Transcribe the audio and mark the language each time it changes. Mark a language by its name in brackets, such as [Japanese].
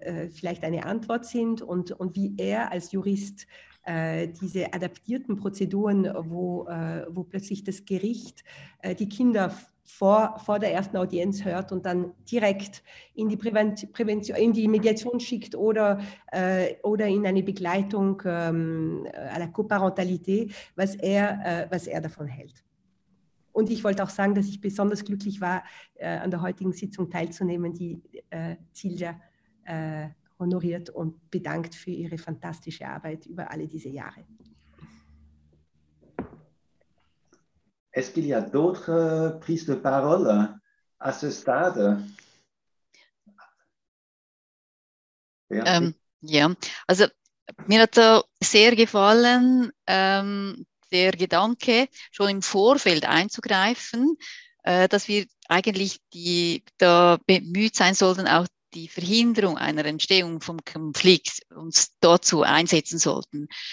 [German] vielleicht eine Antwort sind und wie er als Jurist diese adaptierten Prozeduren, wo plötzlich das Gericht die Kinder vor der ersten Audienz hört und dann direkt in die Prävention, in die Mediation schickt oder in eine Begleitung à la coparentalité, was er davon hält. Und ich wollte auch sagen, dass ich besonders glücklich war, an der heutigen Sitzung teilzunehmen, die Silja honoriert und bedankt für ihre fantastische Arbeit über alle diese Jahre. [French] Est-ce qu'il y a d'autres prises de parole à ce stade? [German] Also mir hat so sehr gefallen, der Gedanke, schon im Vorfeld einzugreifen, dass wir eigentlich da bemüht sein sollten, auch die Verhinderung einer Entstehung vom Konflikt uns dazu einsetzen sollten.